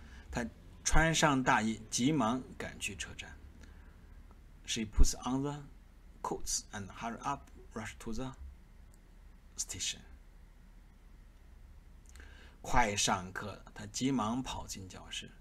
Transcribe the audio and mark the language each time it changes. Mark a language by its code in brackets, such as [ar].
[zh] 她穿上大衣, 急忙赶去车站. [en] She puts on the coats and hurry up, rush to the station. [zh] 快上课, 她急忙跑进教室.